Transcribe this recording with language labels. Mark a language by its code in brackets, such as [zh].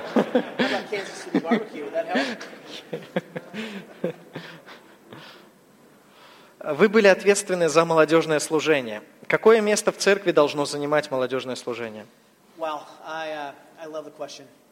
[en] How about Kansas City barbecue? Would that help? [ru] Вы были ответственны за молодежное служение. Какое место в церкви должно занимать молодежное служение? [en] Well, I love the question.